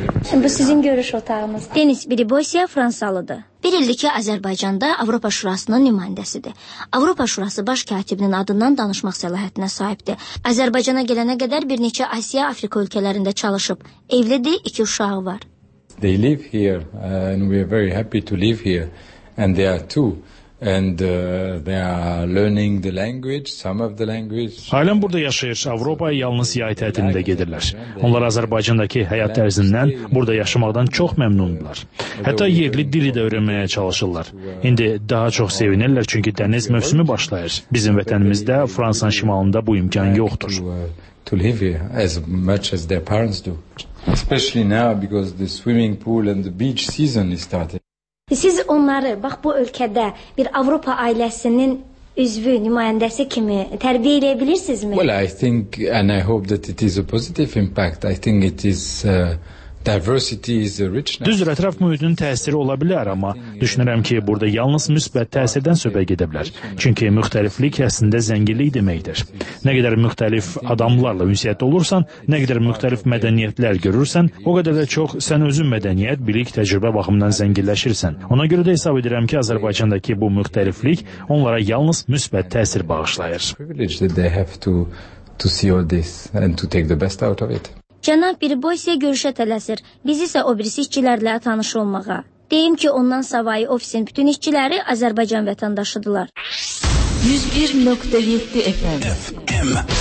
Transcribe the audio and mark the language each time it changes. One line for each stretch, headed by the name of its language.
Azerbaijani: Şimdi bu sizin görüş otağınız. Deniz Biriboysiya Fransalıdır. Bir ildir ki, Azərbaycanda Avropa Şurasının nümayəndəsidir. Avropa Şurası baş katibinin adından danışmaq səlahiyyətinə sahibdir. Azərbaycana gələnə qədər bir neçə Asiya, Afrika ölkələrində çalışıb. Evlidir, iki uşağı var.
English: They live here and we are very happy to live here and they are two. And they are learning the language, some of the language.
Azerbaijani: Ailem burada yaşayır. Avropaya yalnız yay tətilində gedirlər. Onlar Azərbaycandakı həyat tərzindən, burada yaşamaqdan çox məmnundurlar. Hətta yerli dili də öyrənməyə çalışırlar. İndi daha çox sevinirlər, çünki dəniz mövsümü başlayır. Bizim vətənimizdə, Fransanın şimalında bu imkan yoxdur.
English: To live here as much as their parents do. Especially now because the swimming pool and the beach season is starting.
Azerbaijani: Siz onları, bax bu ölkədə bir Avropa ailəsinin üzvü, nümayəndəsi kimi tərbiyə edə bilirsinizmi?
English: Well, I think and I hope that it is a positive impact. I think it is diversity is a richness.
Azerbaijani: Düzdür, ətraf mühitinin təsiri ola bilər, amma düşünürəm ki, burada yalnız müsbət təsirdən söhbət gedə bilər. Çünki müxtəliflik əslində zənginlik deməkdir. Nə qədər müxtəlif adamlarla ünsiyyətdə olursan, nə qədər müxtəlif mədəniyyətlər görürsən, o qədər də çox sən özün mədəniyyət, bilik, təcrübə baxımından zənginləşirsən. Ona görə də hesab edirəm ki, Azərbaycandakı bu müxtəliflik onlara yalnız müsbət təsir bağışlayır.
English: They have to see all this and to take the best out of it.
Azerbaijani: Cənab Biriboysiya görüşə tələsir, biz isə o birisi işçilərlə tanış olmağa. Deyim ki, ondan savayı ofisin bütün işçiləri Azərbaycan vətəndaşıdırlar. 101.7 FM.